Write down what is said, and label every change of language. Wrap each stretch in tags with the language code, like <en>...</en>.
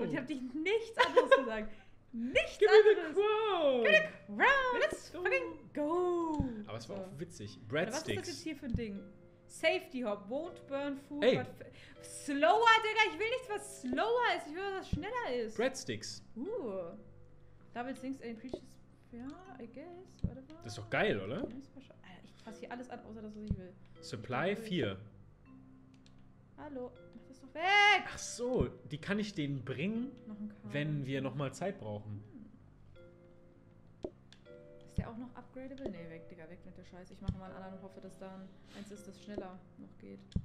<de>Und ich hab dich nichts anderes gesagt. Nichts</de> <en>Give</en> <de>anderes.</de> <en>Give me the crown. Give me the crown. Let's fucking go.</en> <de>Aber es war auch witzig. Breadsticks. Was ist das jetzt hier für ein Ding?</de> <en>Safety Hop. Won't burn food.</en> <de>Ey.</de> <en>Slower, Digga.</en> <de>Ich will nichts, was slower ist. Ich will, was schneller ist.</de> <en>Breadsticks. Double Things and Preaches. Ja, I guess.</en> <de>Das ist doch geil, oder? Ich fasse hier alles an, außer das, was ich will.</de> <en>Supply 4.</en> <de>Hallo. Mach das doch weg. Ach so, die kann ich denen bringen, wenn wir nochmal Zeit brauchen. Ist der auch noch upgradable? Nee, weg, Digga, weg mit der Scheiße. Ich mache mal einen anderen und hoffe, dass da eins ist, das schneller noch geht.</de>